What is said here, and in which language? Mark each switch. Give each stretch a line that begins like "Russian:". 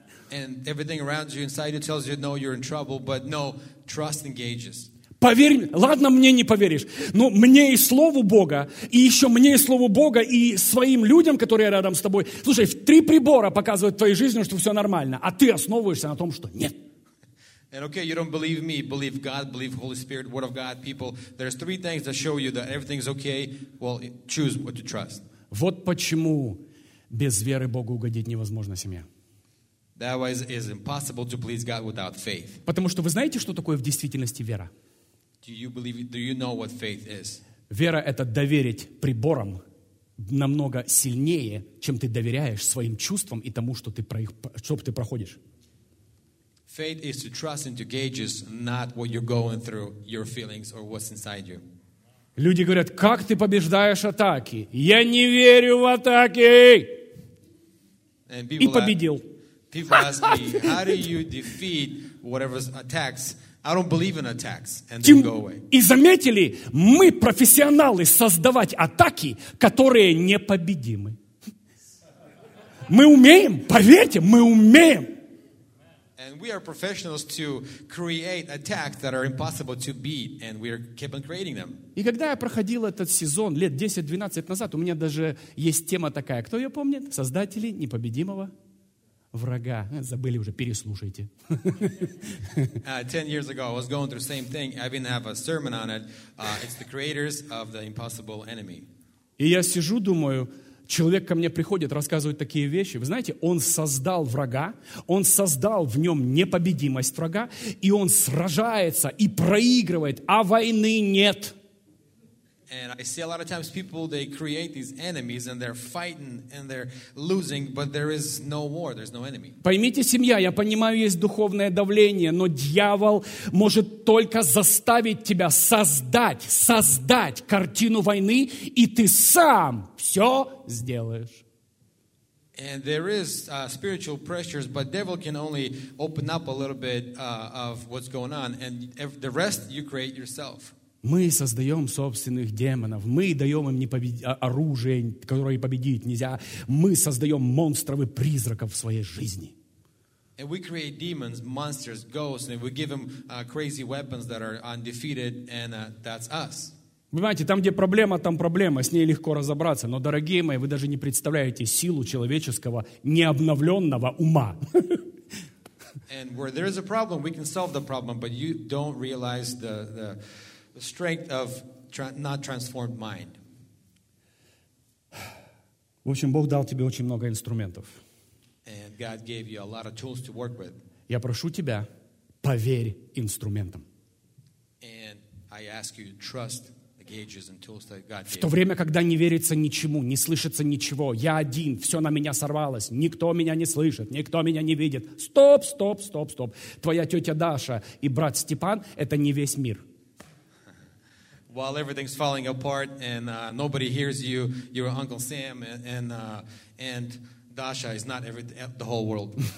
English: And everything around you, inside you, tells you, no, you're in trouble, but no, trust in gauges.
Russian: Поверь, ладно, мне не поверишь, но мне и Слову Бога, и еще мне и Слову Бога, и своим людям, которые рядом с тобой. Слушай, три прибора показывают в твоей жизни, что все нормально, а ты основываешься на том, что нет.
English: And okay, you don't believe me, believe God, believe Holy Spirit, Word of God, people. There's three things that show you that everything's okay. Well, choose what to trust.
Russian: Вот почему без веры Богу угодить невозможно, семья.
English: That is impossible to please God without faith.
Russian: Потому что вы знаете, что такое в действительности вера?
English: Do you know what faith is?
Russian: Вера — это доверить приборам намного сильнее, чем ты доверяешь своим чувствам и тому, что ты, чтоб ты проходишь.
English: Faith is to trust into gauges, not what you're going through, your feelings or what's inside you.
Russian: Люди говорят, как ты побеждаешь атаки? Я не верю в атаки! И победил.
English: People ask me, how do you defeat whatever's attacks? I don't believe in attacks, and they go away.
Russian: И заметили, мы профессионалы создавать атаки, которые непобедимы. Мы умеем, поверьте, мы умеем.
English: And we are professionals to create attacks that are impossible to beat, and we are keep on creating them.
Russian: И когда я проходил этот сезон лет 10-12 назад, у меня даже есть тема такая, кто ее помнит? Создатели непобедимого врага. Забыли уже, переслушайте.
English: 10 years ago I was going through the same thing. I even have a sermon on it. It's the creators of the impossible enemy.
Russian: И я сижу, думаю, человек ко мне приходит, рассказывает такие вещи. Вы знаете, он создал врага, он создал в нем непобедимость врага, и он сражается и проигрывает, а войны нет.
English: And I see a lot of times people, they create these enemies and they're fighting and they're losing, but there is no war, there's no enemy.
Russian: Поймите, семья, я понимаю, есть духовное давление, но дьявол может только заставить тебя создать картину войны, и ты сам все сделаешь.
English: And there is spiritual pressures, but devil can only open up a little bit of what's going on, and the rest you create yourself.
Russian: Мы создаем собственных демонов, мы даем им оружие, которое победить нельзя, мы создаем монстров и призраков в своей жизни.
English: And we create demons, monsters, ghosts, and we give them crazy weapons that are undefeated, and that's us.
Russian: Вы понимаете, там, где проблема, там проблема, с ней легко разобраться, но, дорогие мои, вы даже не представляете силу человеческого необновленного ума.
English: And where there is a problem, we can solve the problem, but you don't realize the strength of not transformed mind.
Russian: В общем, Бог дал тебе очень много инструментов.
English: And God gave you a lot of tools to work with.
Russian: Я прошу тебя, поверь инструментам.
English: And I ask you to trust the gauges and tools that God gave.
Russian: В то время, когда не верится ничему, не слышится ничего, я один, все на меня сорвалось, никто меня не слышит, никто меня не видит. Стоп, стоп, стоп, стоп. Твоя тетя Даша и брат Степан — это не весь мир.
English: While everything's falling apart and nobody hears you, your Uncle Sam and Dasha is not the whole world.